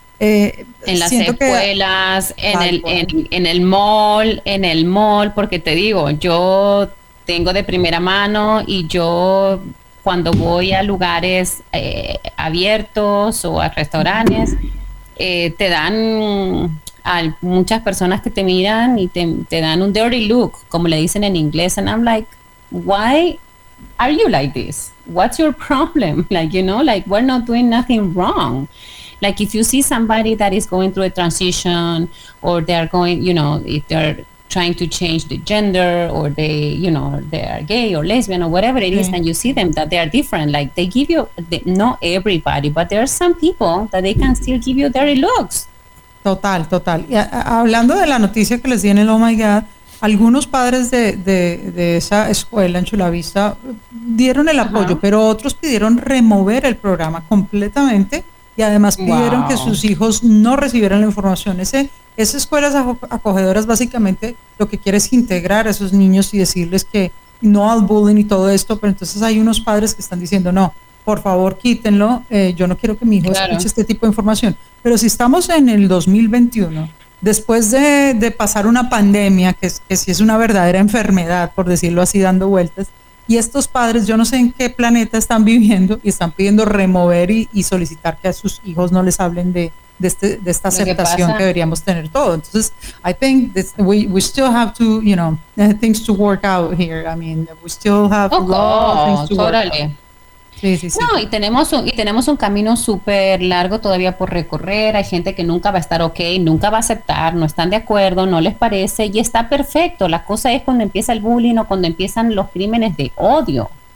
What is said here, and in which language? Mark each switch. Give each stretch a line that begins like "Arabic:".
Spanish: en las escuelas, en el mall, porque te digo, yo tengo de primera mano, y yo cuando voy a lugares abiertos o a restaurantes, te dan hay muchas personas que te miran y te dan un dirty look, como le dicen en inglés,
English: and I'm like, why are you like this? What's your problem? Like, you know, like, we're not doing nothing wrong. Like, if you see somebody that is going through a transition, or they are going, you know, if they're trying to change the gender, or they, you know, they are gay or lesbian or whatever it is, and you see them that they are different, like, they give you, not everybody, but there are some people that they can still give you dirty looks.
Spanish: Total, total. Y hablando de la noticia que les di en el Oh My God, algunos padres de esa escuela en Chula Vista dieron el apoyo, pero otros pidieron remover el programa completamente y además pidieron que sus hijos no recibieran la información. Esa escuela es acogedora, es básicamente lo que quiere es integrar a esos niños y decirles que no al bullying y todo esto, pero entonces hay unos padres que están diciendo, no, por favor, quítenlo, yo no quiero que mi hijo escuche este tipo de información. Pero si estamos en el 2021, después de pasar una pandemia, que sí es una verdadera enfermedad, por decirlo así, dando vueltas, y estos padres, yo no sé en qué planeta están viviendo, y están pidiendo remover y solicitar que a sus hijos no les hablen de esta aceptación que deberíamos tener todo. Entonces,
English: I think we still have to, you know, things to work out here. I mean, we still have things to work out.
Spanish: Sí, sí, sí. No, y tenemos un camino súper largo todavía por recorrer. Hay gente que nunca va a estar okay, nunca va a aceptar, no están de acuerdo, no les parece y está perfecto. La cosa es cuando empieza el bullying o cuando empiezan los crímenes de odio.